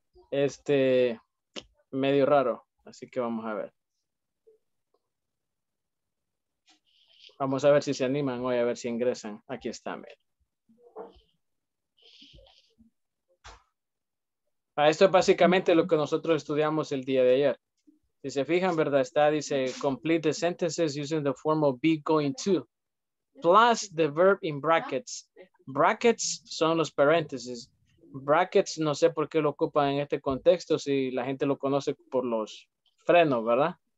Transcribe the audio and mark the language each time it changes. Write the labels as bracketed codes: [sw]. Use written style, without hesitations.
[es] Este medio raro. Así que vamos a ver. Vamos a ver si se animan hoy, a ver si ingresan. Aquí está. Mira. Esto es básicamente lo que nosotros estudiamos el día de ayer. Si se fijan, ¿verdad? Está, dice, [en] complete the sentences using the form of be going to, plus the verb in brackets. [es] Brackets son los paréntesis. Brackets, no sé por qué lo ocupan en este contexto, si la gente lo conoce por los frenos, ¿verdad?